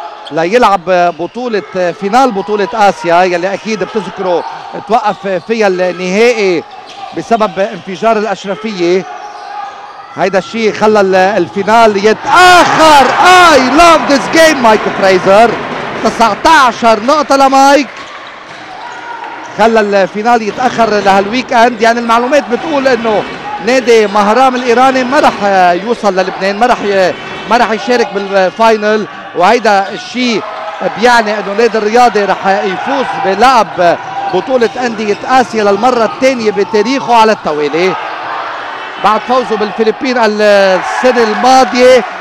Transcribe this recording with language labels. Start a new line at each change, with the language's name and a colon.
Arabic: ليلعب بطولة فينال بطولة آسيا يلي أكيد بتذكروا توقف فيها النهائي بسبب انفجار الأشرفية. هيدا الشيء خلى الفينال يتأخر.
English: I love this game Mike Fraser.
Arabic: 19 نقطة لمايك. خلى الفينال يتأخر لهالويك أند. يعني المعلومات بتقول إنه نادي مهرام الإيراني ما رح يوصل للبنان، ما رح يشارك بالفاينل، وهيدا الشيء بيعني إنه نادي الرياضي رح يفوز بلعب بطولة أندية آسيا للمرة الثانية بتاريخه على التوالي بعد فوزه بالفلبين السنة الماضية.